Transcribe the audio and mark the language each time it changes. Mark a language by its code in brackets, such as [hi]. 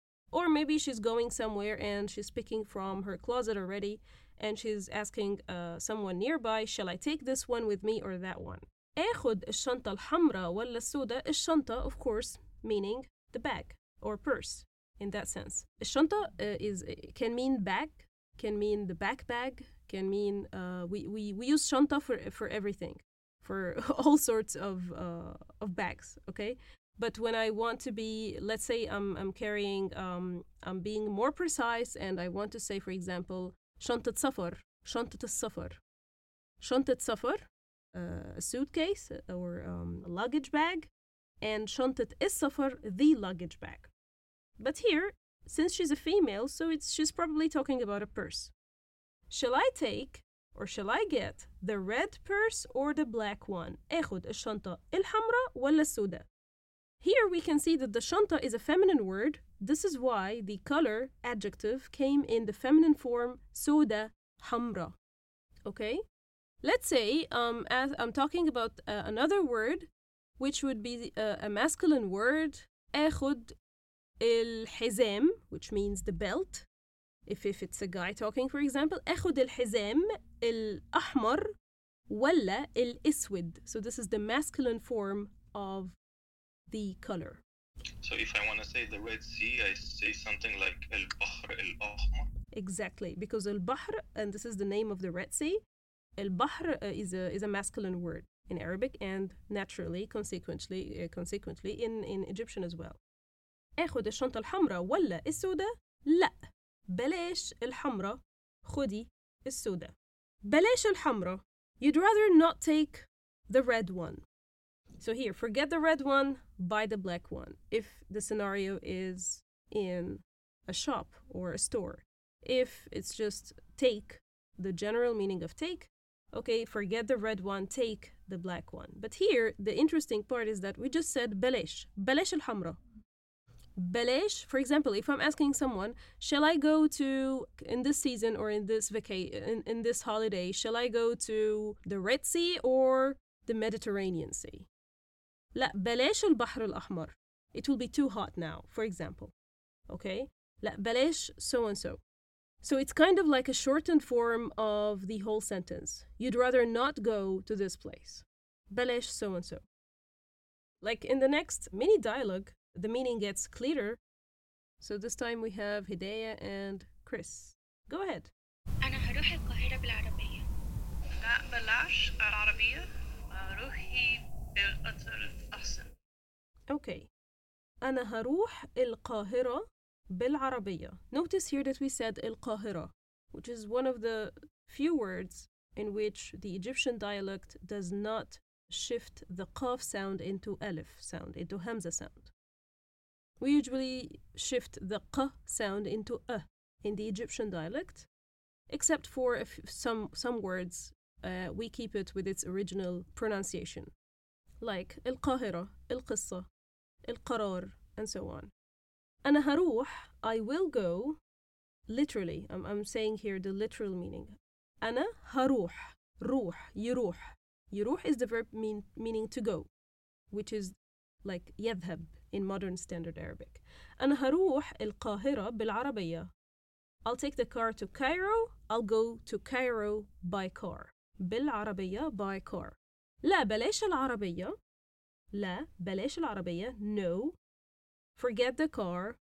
[en] Or maybe she's going somewhere and she's picking from her closet already and she's asking someone nearby, shall I take this one with me or that one? [ar] أخذ الشنطة الحمراء ولا السوداء. [en] الشنطة, of course, meaning the bag or purse in that sense. الشنطة can mean bag, can mean the backpack, can mean... We use شنطة for everything, for all sorts of bags, okay? But when I want to be, let's say I'm being more precise and I want to say, for example, shantat safar, shantat safar. Shantat safar, a suitcase or a luggage bag, and shantat is safar, the luggage bag. But here, since she's a female, so she's probably talking about a purse. Shall I take or shall I get the red purse or the black one? [ar] أخذ الشنطة الحمراء ولا السوداء. [en] Here we can see that the shanta is a feminine word. This is why the color adjective came in the feminine form soda hamra. Okay? Let's say as I'm talking about another word, which would be a masculine word, echud el hizem, which means the belt. If it's a guy talking, for example, [ar] echud el hizem el ahmar wala el iswid. [en] So this is the masculine form of the color. So if I want to say the Red Sea, I say something like Al-Bahr Al-Ahmar. Exactly, because Al-Bahr, and this is the name of the Red Sea, Al-Bahr is a masculine word in Arabic and naturally, consequently in Egyptian as well. [ar] أخذ الشنطة الحمراء ولا السوداء؟ لا. بلاش الحمراء خدي السوداء. بلاش الحمراء. [en] You'd rather not take the red one. So here, forget the red one, buy the black one. If the scenario is in a shop or a store. If it's just take, the general meaning of take. Okay, forget the red one, take the black one. But here, the interesting part is that we just said بلاش, [ar] بلاش الحمرة. [en] بلاش, for example, if I'm asking someone, shall I go to, in this season or in this in this holiday, shall I go to the Red Sea or the Mediterranean Sea? [ar] لا, بلاش البحر الأحمر. [en] It will be too hot now, for example. Okay? [ar] لا, بلاش so-and-so. [en] So it's kind of like a shortened form of the whole sentence. You'd rather not go to this place. بلاش so-and-so. Like in the next mini dialogue, the meaning gets clearer. So this time we have Hidaya and Chris. Go ahead. [ar] أنا هروح القاهرة بالعربية. لا بلاش العربية. هروحي بالقطر أحسن. [en] Okay. [ar] أنا هروح القاهرة بالعربية. [en] Notice here that we said القاهرة, which is one of the few words in which the Egyptian dialect does not shift the qaf sound into alif sound, into hamza sound. We usually shift the q sound into a in the Egyptian dialect, except for some words, we keep it with its original pronunciation, like القاهرة, القصة, القرار, and so on. [ar] أنا هروح, [en] I will go, literally, I'm saying here the literal meaning. [ar] أنا هروح, روح, يروح. [en] يروح is the verb meaning to go, which is like يذهب in modern standard Arabic. [ar] أنا هروح القاهرة بالعربية. [en] I'll take the car to Cairo, I'll go to Cairo by car. [ar] بالعربية [en] by car. [ar] لا بلاش العربية. لا بلاش العربية, [en] no. Forget the car.